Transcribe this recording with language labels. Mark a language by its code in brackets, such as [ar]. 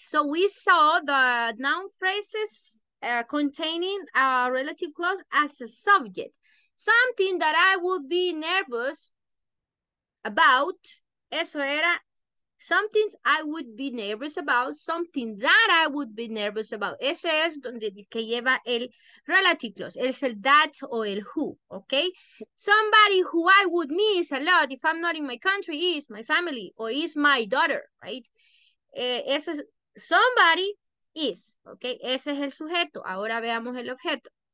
[en] So we saw the noun phrases containing a relative clause as a subject. Something that I would be nervous about. [es] Eso era. [en] Something I would be nervous about, something that I would be nervous about. [es] Ese es donde que lleva el relative clause. Es el that o el who, okay? [en] Somebody who I would miss a lot if I'm not in my country is my family or is my daughter, right? [es] Eso es, [en] somebody is, okay? [es] Ese es el sujeto. Ahora veamos el objeto.